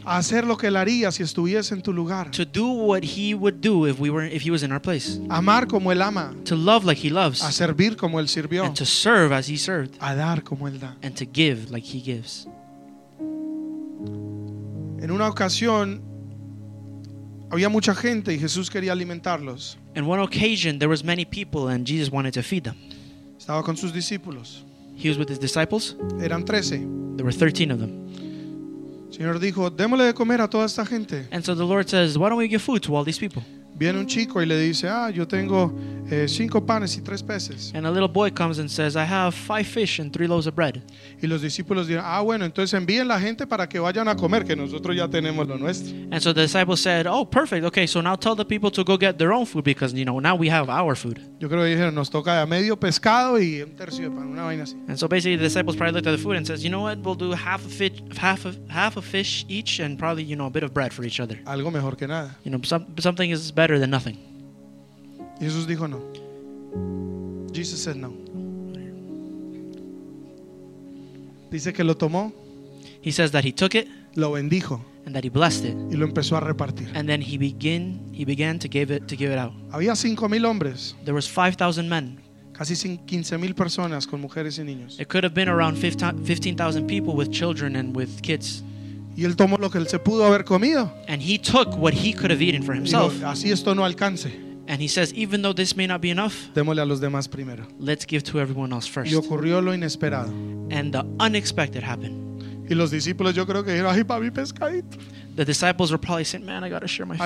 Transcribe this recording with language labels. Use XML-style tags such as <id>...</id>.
<es>A hacer lo que él haría si estuviese en tu lugar.</es> <en>To do what he would do if we were, if he was in our place.</en> <es>Amar como él ama.</es> <en>To love like he loves.</en> <es>A servir como él sirvió.</es> <en>And to serve as he served.</en> <es>A dar como él da.</es> <en>And to give like he gives.</en> <es>En una ocasión había mucha gente y Jesús quería alimentarlos.</es> <en>In one occasion there was many people and Jesus wanted to feed them.</en> <es>Estaba con sus discípulos.</es> <en>He was with his disciples.</en> <es>Eran 13.</es> <en>There were 13 of them.</en> <es>Señor dijo, démosle de comer a toda esta gente.</es> <en>And so the Lord says, why don't we give food to all these people?</en> <es>Viene un chico y le dice, ah, yo tengo 5 panes y 3 peces.</es> <en>And a little boy comes and says, I have 5 fish and 3 loaves of bread.</en> <es>Y los discípulos dicen, ah, bueno, entonces envíen la gente para que vayan a comer, que nosotros ya tenemos lo nuestro.</es> <en>And so the disciples said, oh, perfect. Okay, so now tell the people to go get their own food because, you know, now we have our food.</en> <es>Yo creo que dijeron, nos toca ya medio pescado y un tercio de pan, una vaina así.</es> <en>And so basically the disciples probably looked at the food and says, you know what, we'll do half a fish each and probably, you know, a bit of bread for each other.</en> <es>Algo mejor que nada.</es> <en>You know, something is better than nothing.</en> <es>Jesús dijo no.</es> <en>Jesus said no.</en> <es>Dice que lo tomó.</es> <en>He says that he took it.</en> <es>Lo bendijo.</es> <en>And that he blessed it.</en> <es>Y lo empezó a repartir.</es> <en>And then he began to give it out.</en> <es>Había 5,000 hombres.</es> <en>There was 5,000 men.</en> <es>Casi 15,000 personas con mujeres y niños.</es> <en>It could have been around 15,000 people with children and with kids.</en> <es>Y él tomó lo que él se pudo haber comido.</es> <en>And he took what he could have eaten for himself.</en> <es>Dijo, así esto no alcance.</es> <en>And he says, even though this may not be enough,</en> <es>démosle a los demás primero.</es> <en>Let's give to everyone else first.</en> <es>Y ocurrió lo inesperado.</es> <en>And the unexpected happened.</en> <es>Y los discípulos, yo creo que dijeron, ay, pa' mi pescadito.</es> <en>The disciples were probably saying, man, I got to share my fish</en>